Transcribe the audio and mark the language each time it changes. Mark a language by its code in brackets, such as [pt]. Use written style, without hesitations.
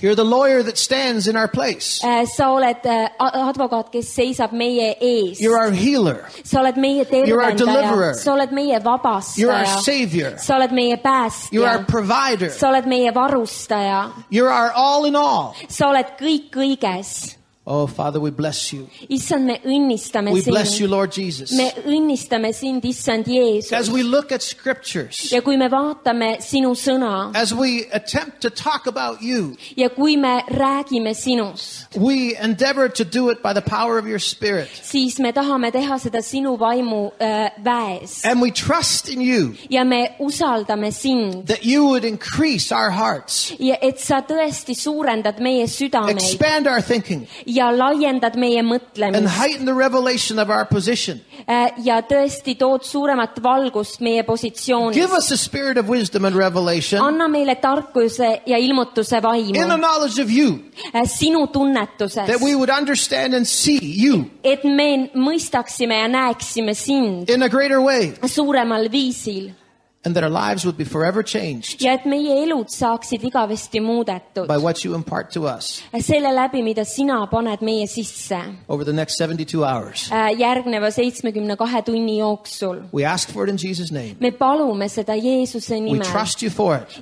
[en] You're the lawyer that stands in our place. [et] Sa oled advokaat, kes seisab meie ees. [en] You're our healer. [et] Sa oled meie tervendaja. [en] You're our deliverer. [et] Sa oled meie vabastaja. [en] You're our savior. [et] Sa oled meie päästja. [en] You're our provider. [et] Sa oled meie varustaja. [en] You're our all in all. [et] Sa oled kõik kõiges. [en] Oh, Father, we bless you. [et] Issand, me õnnistame sind. [en] We bless you, Lord Jesus. [et] Me õnnistame sind, Issand Jeesus. [en] As we look at scriptures. [et] Ja kui me vaatame sinu sõna. [en] As we attempt to talk about you. [et] Ja kui me räägime sinust. [en] We endeavor to do it by the power of your spirit. [et] Siis me tahame teha seda sinu vaimu väes. [en] And we trust in you. [et] Ja me usaldame sind. [en] That you would increase our hearts. [et] Ja et sa tõesti suurendad meie südameid. [en] Expand our thinking. [et] Ja laiendad meie mõtlemist. [en] And heighten the revelation of our position. [et] Ja tõesti tood suuremat valgust meie positsioonis. [en] Give us a spirit of wisdom and revelation. [et] Anna meile tarkuse ja ilmutuse vaimu. [en] In the knowledge of you. [et] Sinu tunnetuses. [en] That we would understand and see you. [et] Et me mõistaksime ja näeksime sind. [en] In a greater way. [et] Suuremal viisil. [en] And that our lives would be forever changed. [et] Ja et meie elud saaksid igavesti muudetud. [en] By what you impart to us. [et] Selle läbi, mida sina paned meie sisse. [en] Over the next 72 hours. [et] Järgneva 72 tunni jooksul. [en] We ask for it in Jesus' name. [et] Me palume seda Jeesuse nimel. [en] We trust you for it.